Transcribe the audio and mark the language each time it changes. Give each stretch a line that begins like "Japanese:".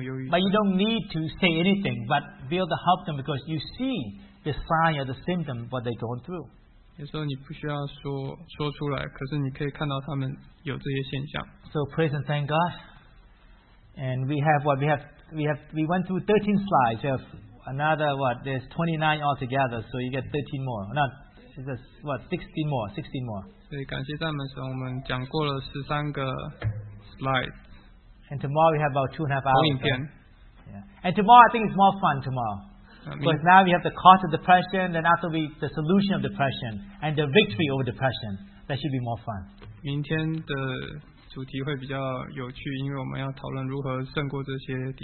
English: But you don't need to say anything, but be able to help them because you see the sign or the symptom what they're going through.
Chinese: 有时候你不需要说出来, 可是你可以看到他们有这些现象。
English: So praise and thank God. And we have what we went through 13 slides. We have another what? There's 29 altogether, so you get 13 more. Not is this what? 16 more. 16 more.
Chinese: 所以感谢赞美神，我们讲过了13个 slides.
English: And tomorrow we have about 2.5 hours.
Chinese: 投影片.
English: Yeah. And tomorrow I think it's more fun tomorrow. Because now we have the cause of depression, then after we the solution of depression and the victory over depression. That should be more fun.
Chinese: 明天的主题会比较有趣, 因为我们要讨论如何胜过这些.